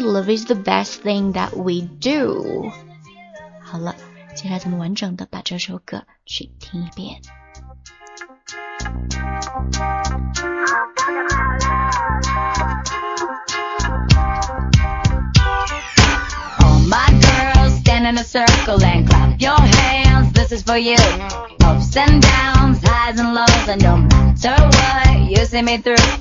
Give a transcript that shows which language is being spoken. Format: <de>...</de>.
<en>Love is the best thing that we do.</en> <zh>好了，接下来咱们完整的把这首歌去听一遍。</zh> <en>All my girls stand in a circle and clap your hands. This is for you. And downs, highs and lows, and no matter what you see me through.</en>